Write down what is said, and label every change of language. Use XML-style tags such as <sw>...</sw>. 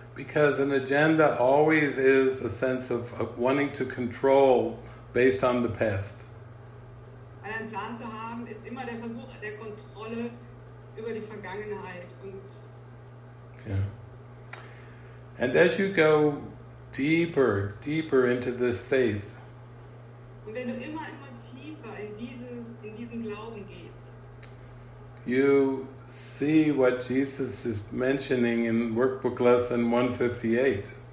<en>Because an agenda always is a sense of wanting to control based on the past.</en> <de>Weil ein Plan zu haben ist immer der Versuch der Kontrolle über die Vergangenheit.</de> <en>Yeah. And as you go deeper into this faith.</en> <de>Und wenn du immer tiefer in diesen Glauben gehst.</de> <en>You see what Jesus is mentioning in Workbook Lesson 158.</en>